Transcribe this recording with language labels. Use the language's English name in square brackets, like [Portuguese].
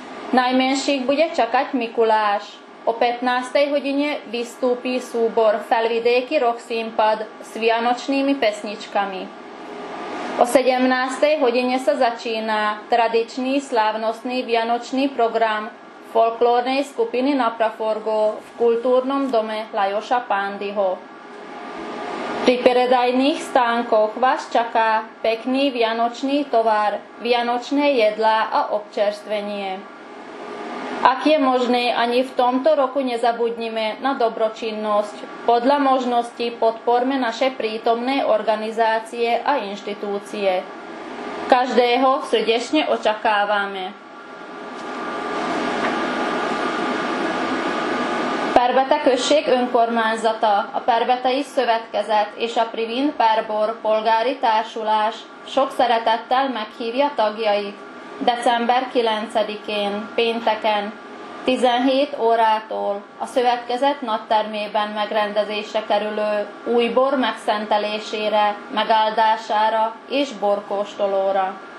[Slovak] Najmenších bude čakať Mikuláš. O 15. hodine vystúpí súbor Felvidéky Rochsimpad s vianočnými pesničkami. O 17. hodine sa začína tradičný slávnostný vianočný program folklórnej skupiny Na Praforgo v kultúrnom dome Lajoša Pándyho. Pri predajných stánkoch vás čaká pekný vianočný tovar, vianočné jedlá a občerstvenie. Ak je možné, ani v tomto roku nezabudnime na dobročinnosť. Podľa možnosti podporme naše prítomné organizácie a inštitúcie. Každého srdečne očakávame. [Hungarian] Perbeta község önkormányzata, a Perbetai Szövetkezet és a Privin Perbor Polgári Társulás sok szeretettel meghívja tagjait december 9-én, pénteken, 17 órától a szövetkezet nagytermében megrendezésre kerülő új bor megszentelésére, megáldására és borkóstolóra.